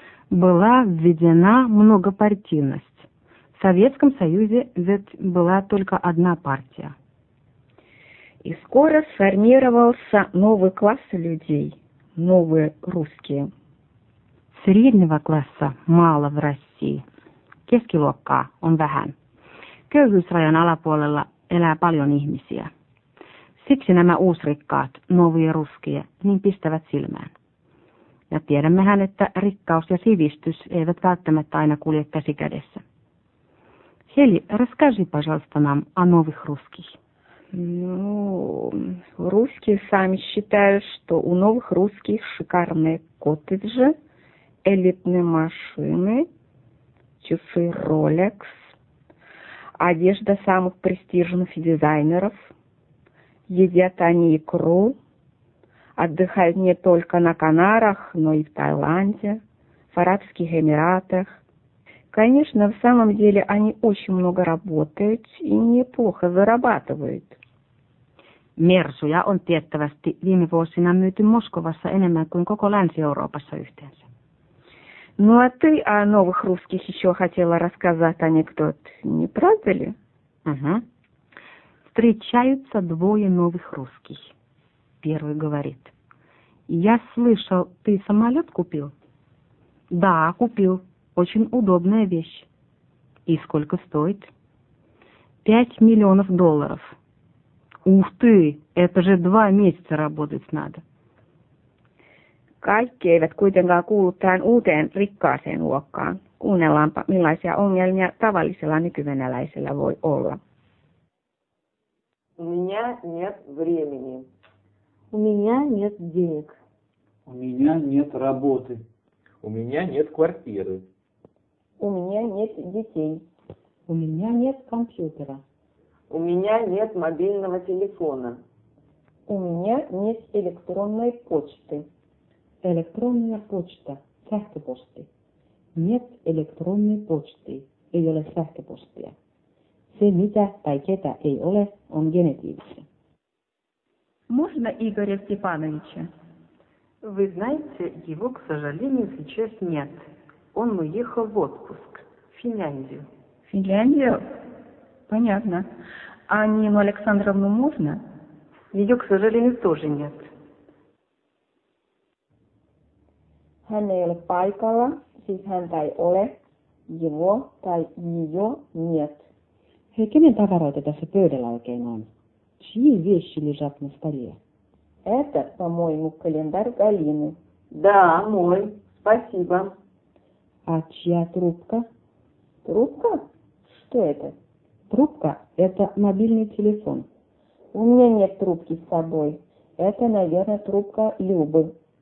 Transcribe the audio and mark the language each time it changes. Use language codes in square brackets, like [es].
[ru] Была введена многопартийность. В Советском Союзе ведь была только одна партия. И скоро сформировался новый класс людей, новые русские. Среднего класса мало в России. [fi] Keskiluokka on vähän. Köyhyysrajan alapuolella elää paljon ihmisiä. Siksi nämä uusrikkaat, novia ruskia, niin pistävät silmään. Ja tiedämmehän, että rikkaus ja sivistys eivät välttämättä aina kulje käsi kädessä. [ru] Heli, расскажи, пожалуйста, нам о новых русских. Ну, русские сами считают, что у новых русских шикарные коттеджи, элитные машины, часы Rolex, одежда самых престижных дизайнеров. Едят они икру, отдыхают не только на Канарах, но и в Таиланде, в Арабских Эмиратах. Конечно, в самом деле они очень много работают и неплохо зарабатывают. [fi] Мерсуя он tiettävästi viime vuosina myyty Moskovassa enemmän kuin koko Länsi-Euroopassa yhteensä. [ru] Ну а ты о новых русских еще хотела рассказать анекдот, не правда ли? Встречаются двое новых русских. Первый говорит. Я слышал, ты самолет купил? Да, купил. Очень удобная вещь. И сколько стоит? 5 миллионов долларов. Ух ты, это же 2 месяца работать надо. [fi] Kaikki eivät kuitenkaan kuulu tähän uuteen rikkaaseen luokkaan. Kuunnellaanpa, millaisia ongelmia tavallisella nykyvenäläisellä voi olla. [ru] У меня нет времени. У меня нет денег. У меня нет работы. У меня нет квартиры. У меня нет детей. У меня нет компьютера. У меня нет мобильного телефона. У меня нет электронной почты. Электронная почта. [fi] Sähköposti. [ru] Нет электронной почты. [fi] Ei ole sähköpostia. Se, mitä tai ketä ei ole, on genetiivissä. [ru] Можно Игоря Степановича? Вы знаете, его, к сожалению, сейчас нет. Он уехал в отпуск, в Финляндию. Финляндию? Понятно. А Нину Александровну можно? Ее, к сожалению, тоже нет. [fi] Hän ei ole paikalla, siis häntä ei ole, [ru] его [fi] tai [ru] ее нет. [fi] Hei, kenen tavaroita tässä pöydällä oikein on? [ru] Чьи вещи лежат на столе? Это, по-моему, календарь Галины. Да, мой. Спасибо. А чья трубка? Трубка? Что это? Трубка – это мобильный телефон. У меня нет трубки с собой. Это, наверное, трубка Любы.